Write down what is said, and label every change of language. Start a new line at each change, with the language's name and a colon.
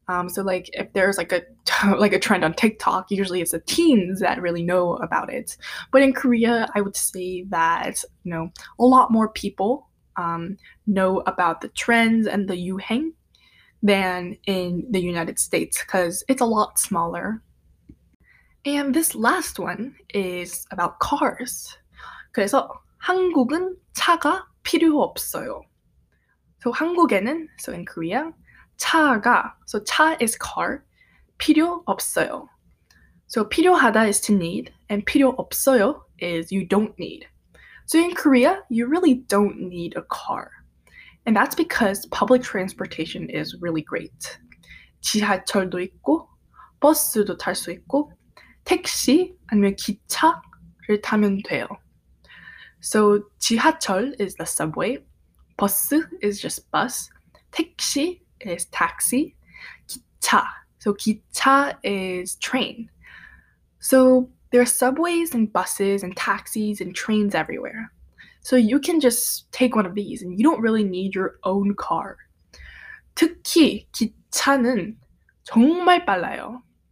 English: So like if there's like a trend on TikTok, usually it's the teens that really know about it. But in Korea, I would say that, you know, a lot more people know about the trends and the Yuhaeng than in the United States because it's a lot smaller. And this last one is about cars.
Korean: 그래서 한국은 차가 필요 없어요.
English: So 한국에는, so in Korea, 차가, so 차 is car,
Korean: 필요 없어요.
English: So 필요하다 is to need, and
Korean: 필요 없어요
English: is you don't need. So in Korea, you really don't need a car. And that's because public transportation is really great.
Korean: 지하철도 있고, 버스도 탈 수 있고, 택시 아니면 기차를 타면 돼요.
English: So 지하철 is the subway, 버스 is just bus, 택시 is taxi, 기차. So 기차 is train. So there are subways and buses and taxis and trains everywhere. So you can just take one of these and you don't really need your own car.
Korean: 특히 기차는 정말 빨라요.